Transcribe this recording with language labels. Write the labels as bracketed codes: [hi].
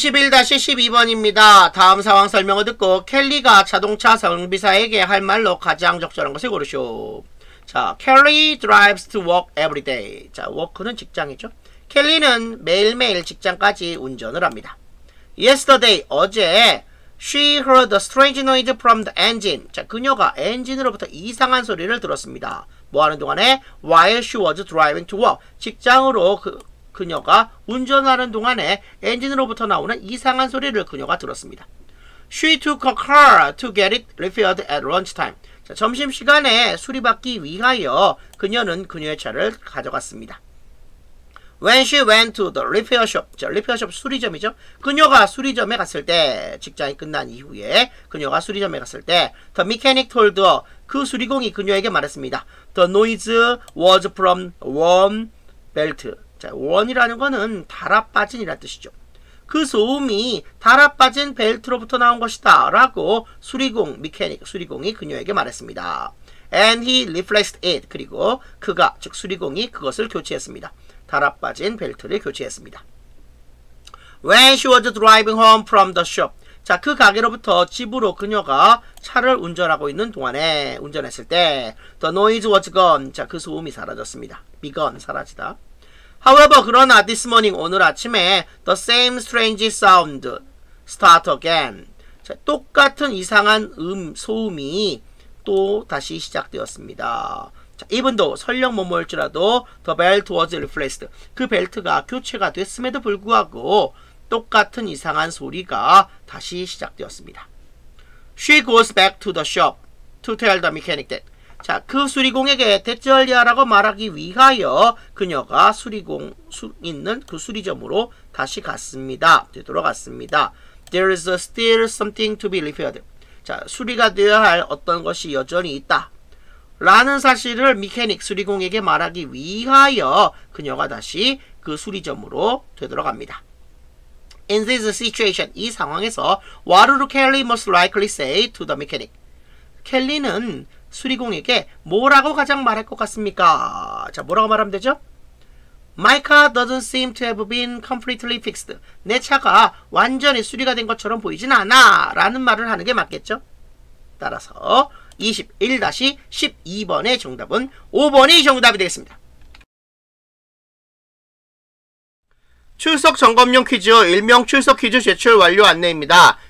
[ko] 21-12번입니다. 다음 상황 설명을 듣고 켈리가 자동차 정비사에게 할 말로 가장 적절한 것을 고르쇼. [en] 자, Kelly drives to work every day. 자, work는 직장이죠. [ko] 켈리는 매일매일 직장까지 운전을 합니다. [en] Yesterday, [ko] 어제 [en] She heard a strange noise from the engine. [ko] 자, 그녀가 엔진으로부터 이상한 소리를 들었습니다. 뭐 하는 동안에? [en] While she was driving to work. [ko] 직장으로 그녀가 운전하는 동안에 엔진으로부터 나오는 이상한 소리를 그녀가 들었습니다. [en] She took a car to get it repaired at lunchtime. [ko] 자, 점심시간에 수리받기 위하여 그녀는 그녀의 차를 가져갔습니다. [en] When she went to the repair shop, 자, repair shop 수리점이죠. [ko] 그녀가 수리점에 갔을 때, 직장이 끝난 이후에 그녀가 수리점에 갔을 때, [en] the mechanic told her, [ko] 그 수리공이 그녀에게 말했습니다. [en] The noise was from worn belt. [ko] 자, worn이라는 거는 달아빠진이라는 뜻이죠. 그 소음이 달아빠진 벨트로부터 나온 것이다 라고 수리공, 미케닉, 수리공이 그녀에게 말했습니다. [en] And he replaced it. [ko] 그리고 그가, 즉 수리공이 그것을 교체했습니다. 달아빠진 벨트를 교체했습니다. [en] When she was driving home from the shop. [ko] 자, 그 가게로부터 집으로 그녀가 차를 운전하고 있는 동안에, 운전했을 때, [en] the noise was gone. [ko] 자, 그 소음이 사라졌습니다. [en] be gone, 사라지다. However, [ko] 그러나 [en] this morning, [ko] 오늘 아침에 [en] the same strange sound start again. [ko] 자, 똑같은 이상한 소음이 또 다시 시작되었습니다. [en] 자, even though [ko] 설령 뭐뭐일지라도 [en] the belt was replaced. [ko] 그 벨트가 교체가 됐음에도 불구하고 똑같은 이상한 소리가 다시 시작되었습니다. [en] She goes back to the shop to tell the mechanic that. [ko] 자, 그 수리공에게 대절리아라고 말하기 위하여 그녀가 수리공 있는 그 수리점으로 다시 갔습니다. 되돌아갔습니다. [en] There is still something to be repaired. [ko] 자, 수리가 되어야 할 어떤 것이 여전히 있다 라는 사실을 미케닉 수리공에게 말하기 위하여 그녀가 다시 그 수리점으로 되돌아갑니다. [en] In this situation, [ko] 이 상황에서 [en] What do Kelly most likely say to the mechanic? [ko] 켈리는 수리공에게 뭐라고 가장 말할 것 같습니까? 자, 뭐라고 말하면 되죠? [en] My car doesn't seem to have been completely fixed. [ko] 내 차가 완전히 수리가 된 것처럼 보이진 않아. 라는 말을 하는 게 맞겠죠? 따라서 21-12번의 정답은 5번이 정답이 되겠습니다. 출석 점검용 퀴즈, 일명 출석 퀴즈 제출 완료 안내입니다.